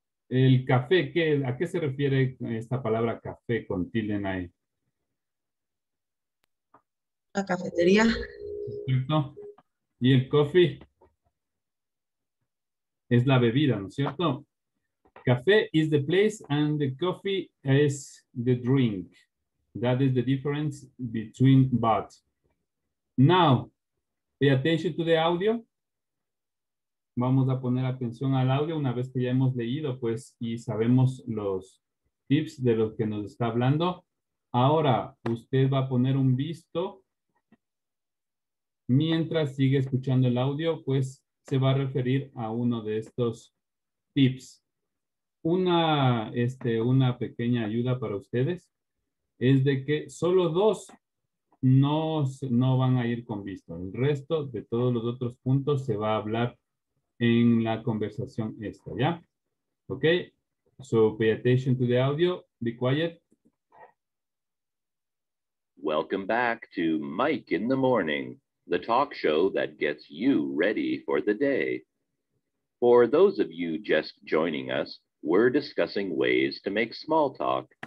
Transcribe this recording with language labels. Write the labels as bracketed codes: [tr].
[es] El café, ¿a qué se refiere esta palabra café con tilde en ahí? La cafetería. Perfecto. Y el coffee es la bebida, ¿no es cierto? [en] Café is the place and the coffee is the drink. That is the difference between both. Now, pay attention to the audio. [es] Vamos a poner atención al audio una vez que ya hemos leído, pues, y sabemos los tips de los que nos está hablando. Ahora, usted va a poner un visto. Mientras sigue escuchando el audio, pues, se va a referir a uno de estos tips. Una pequeña ayuda para ustedes es de que solo dos no van a ir con visto. El resto de todos los otros puntos se va a hablar en la conversación esta, ¿ya? [en] Ok, so pay attention to the audio, be quiet. Welcome back to Mike in the Morning, the talk show that gets you ready for the day. For those of you just joining us, we're discussing ways to make small talk.